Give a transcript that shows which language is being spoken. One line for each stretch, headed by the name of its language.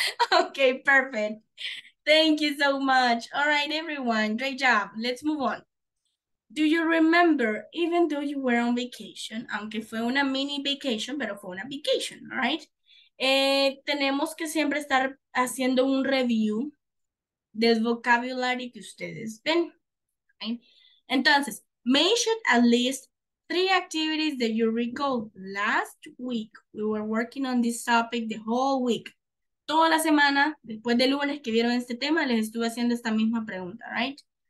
English: Okay, perfect. Thank you so much. All right, everyone, great job. Let's move on. Do you remember, even though you were on vacation,
Spanish: aunque fue una mini vacation, pero fue una vacation,
English: all right?
Spanish: Tenemos que siempre estar haciendo un review del vocabulary que ustedes ven.
English: Right? Entonces, mention at least 3 activities that you recall. Last week, we were working on this topic the whole week.
Spanish: Toda la semana, después del lunes que vieron este tema, les estuve haciendo esta misma pregunta, right?